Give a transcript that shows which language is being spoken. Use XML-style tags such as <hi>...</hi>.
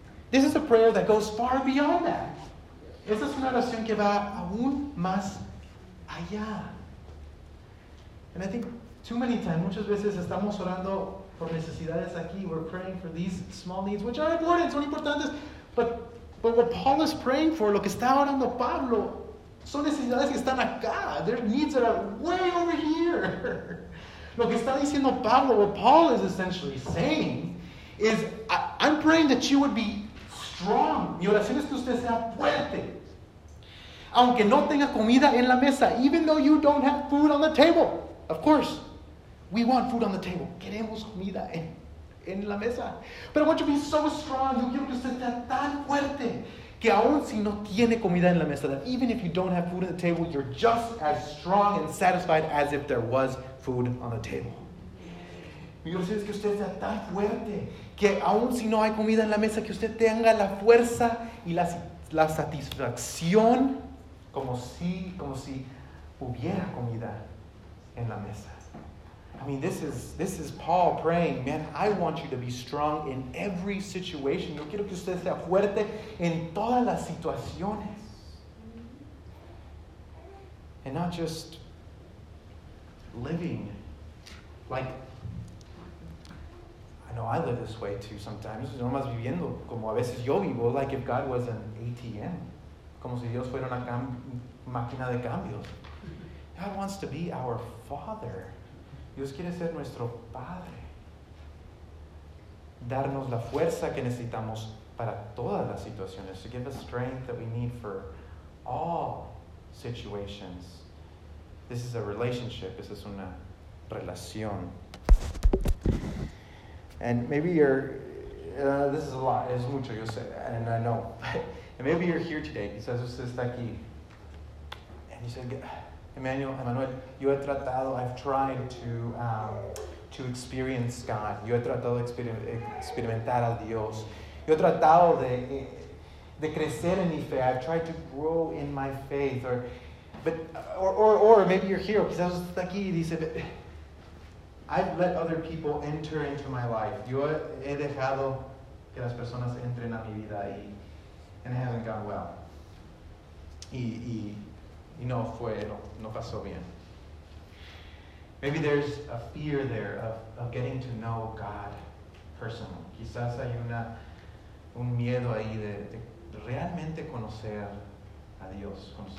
<en>This is a prayer that goes far beyond that.</en> <es>Esa es una oración que va aún más allá.</es> <en>And I think too many times,</en> <es>muchas veces estamos orando por necesidades aquí.</es> <en>We're praying for these small needs, which are important,</en> <es>son importantes.</es> <en>But what Paul is praying for,</en> <es>lo que está orando Pablo, son necesidades que están acá.</es> <en>Their needs are way over here.</en> <es>Lo que está diciendo Pablo,</es> <en>what Paul is essentially saying, is I'm praying that you would be strong.</en> <es>Mi oración es que usted sea fuerte. Aunque no tenga comida en la mesa,</es> <en>even though you don't have food on the table. Of course, we want food on the table.</en> <es>Queremos comida en la mesa.</es> <en>But I want you to be so strong.</en> <es>Yo quiero que usted sea tan fuerte. Que aun si no tiene comida en la mesa,</es> <en>that even if you don't have food on the table, you're just as strong and satisfied as if there was food on the table.</en> <es>Mi oración es que usted sea tan fuerte, que aun si no hay comida en la mesa, que usted tenga la fuerza y la satisfacción como si hubiera comida en la mesa.</es> <en>I mean, this is Paul praying, man, I want you to be strong in every situation.</en> <es>Yo quiero que usted sea fuerte en todas las situaciones.</es> <en>And not just living. Like, I know I live this way too sometimes.</en> <es>No más viviendo como a veces yo vivo,</es> <en>like if God was an ATM.</en> <es>Como si Dios fuera una máquina de cambios.</es> <en>God wants to be our Father.</en> <es>Dios quiere ser nuestro Padre. Darnos la fuerza que necesitamos para todas las situaciones.</es> <en>To give us strength that we need for all situations. This is a relationship. This is</en> <es>una relación.</es> <en>And maybe you're... this is a lot.</en> <es>Es mucho, yo sé.</es> <en>And I know. And maybe you're here today.</en> <es>Quizás usted está aquí.</es> <en>And you said... Emmanuel,</en> <es>yo he tratado,</es> <en>I've tried to experience God.</en> <es>Yo he tratado de experimentar a Dios. Yo he tratado de crecer en mi fe.</es> <en>I've tried to grow in my faith. Or maybe you're here.</en> <es>Quizás está aquí y dice,</es> <en>but I've let other people enter into my life.</en> <es>Yo he dejado que las personas entren a mi vida y</es> <en>and it hasn't gone well.</en> <es>Y no fue, no pasó bien.</es> <en>Maybe there's a fear there of getting to know God personally.</en> <es>Quizás hay un miedo ahí de realmente conocer a Dios.</es>